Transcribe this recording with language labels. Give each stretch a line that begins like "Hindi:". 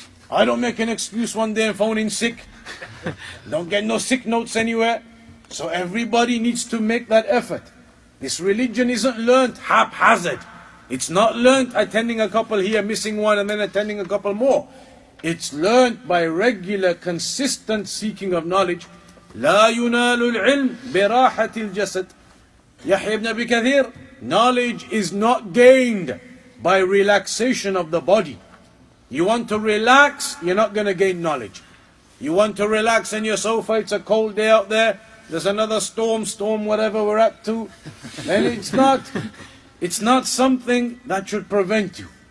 English: I don't make an excuse one day and phone in sick. Don't get no sick notes anywhere. So everybody needs to make that effort. This religion isn't learnt haphazard. It's not learnt attending a couple here, missing one, and then attending a couple more. It's learnt by regular, consistent seeking of knowledge.
Arabic: لا ينال العلم براحة الجسد. يحيى بن أبي كثير.
English: Knowledge is not gained by relaxation of the body. You want to relax, you're not going to gain knowledge. You want to relax on your sofa, it's a cold day out there, there's another storm, whatever we're up to, then it's not something that should prevent you.